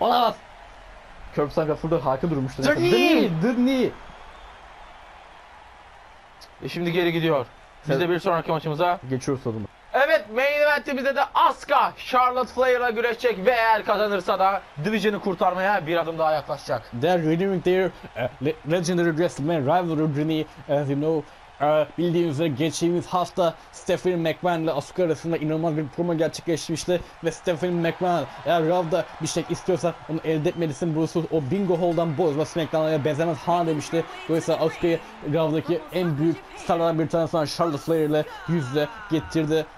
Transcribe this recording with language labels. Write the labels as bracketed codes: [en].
[tr] Bana bas! Curb Stomp Rafford'a hakim durmuştu. [en] The knee! The knee! [tr] E şimdi geri gidiyor. Biz de bir sonraki maçımıza geçiyoruz o zaman. Evet, main eventimizde de Asuka Charlotte Flair'la güreşecek ve eğer kazanırsa da Division'ı kurtarmaya bir adım daha yaklaşacak. [en] They're renewing their legendary wrestling rivalry journey, as you know. [tr] Bildiğiniz üzere geçtiğimiz hafta Stephanie McMahon ile Asuka arasında inanılmaz bir promo gerçekleşmişti. Ve Stephanie McMahon eğer Rav'da bir şey istiyorsa onu elde etmelisin. Burası o bingo hall'dan bozma SmackDown'a benzemez ha demişti. Dolayısıyla Asuka'yı Rav'daki en büyük starlardan bir tanesi olan Charlotte Flair ile yüzle getirdi.